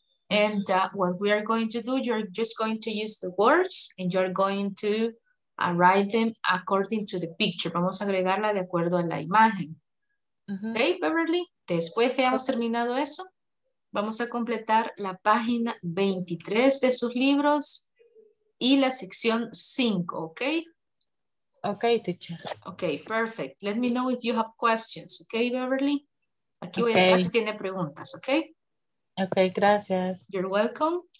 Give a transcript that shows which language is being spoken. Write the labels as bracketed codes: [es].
[en] And what we are going to do, you're just going to use the words and you're going to write them according to the picture. [es] Vamos a agregarla de acuerdo a la imagen. Uh-huh. Okay, Beverly, después que hayamos terminado eso, vamos a completar la página 23 de sus libros y la sección 5, okay? [en] Okay, teacher. Okay, perfect. Let me know if you have questions, okay, Beverly? [es] Aquí voy a estar si tiene preguntas, okay? Okay, gracias. [en] You're welcome.